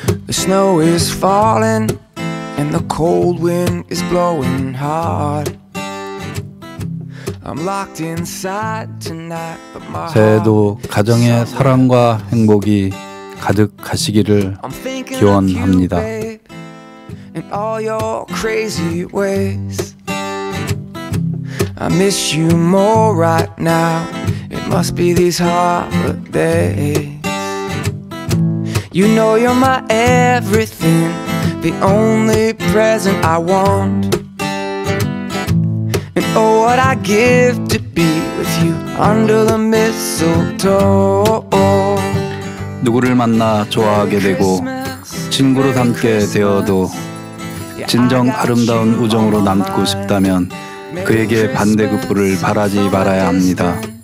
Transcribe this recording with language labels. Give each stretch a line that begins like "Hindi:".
English: snow is falling and the cold wind is blowing hard. I'm locked inside tonight, but my heart.
Korean: 새해도 가정의 사랑과 행복이 가득하시기를 기원합니다.
English: In all your crazy ways, I miss you more right now. It must be these holidays. You know you're my everything, the only present I want. And oh, what I'd give to be with you under the mistletoe.
Korean: 누구를 만나 좋아하게 되고 친구로 삼게 되어도 진정 아름다운 우정으로 남고 싶다면 그에게 반대급부를 바라지 말아야 합니다.